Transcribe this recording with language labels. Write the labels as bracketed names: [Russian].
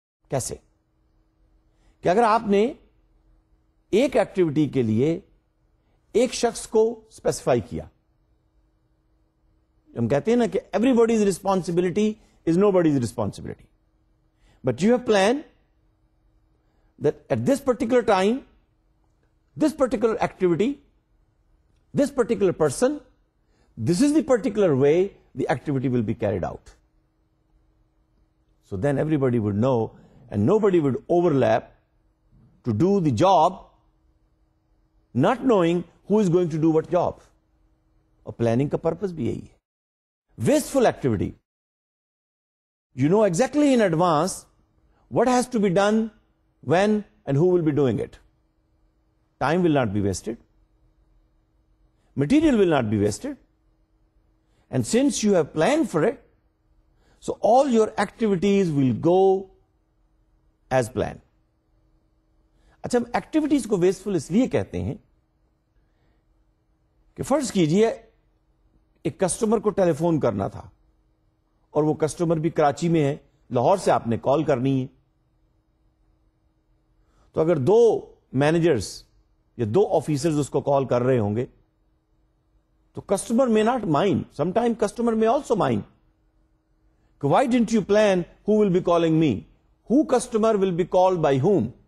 [Urdu] کیسے؟ کہ اگر آپ نے ایک ایکٹیویٹی کے لیے ایک شخص کو اسپیسیفائی کیا، ہم کہتے ہیں نا کہ [English] Everybody's responsibility is nobody's responsibility, but you have plan that at this particular time this particular activity this particular person this is the particular way the activity will be carried out. So then everybody would know and nobody would overlap to do the job not knowing who is going to do what job. [Urdu] اور planning کا purpose بھی یہی ہے. [English] Wasteful activity, you know exactly in advance what has to be done, when and who will be doing it. Time will not be wasted, material will not be wasted, and since you have planned for it, so all your activities will go as planned. [Urdu] اچھا ہم activities کو wasteful اس لیے کہتے ہیں کہ فرض کیجئے ایک کسٹمر کو ٹیلی فون کرنا تھا اور وہ کسٹمر بھی کراچی میں ہے، لاہور سے آپ نے کال کرنی ہے، تو اگر دو مینیجرز یا دو آفیسرز اس کو کال کر رہے ہوں گے تو [English] customer may not mind, some time customer may also mind [Urdu] کہ [English] Why didn't you plan who will be calling me, who customer will be call by whom.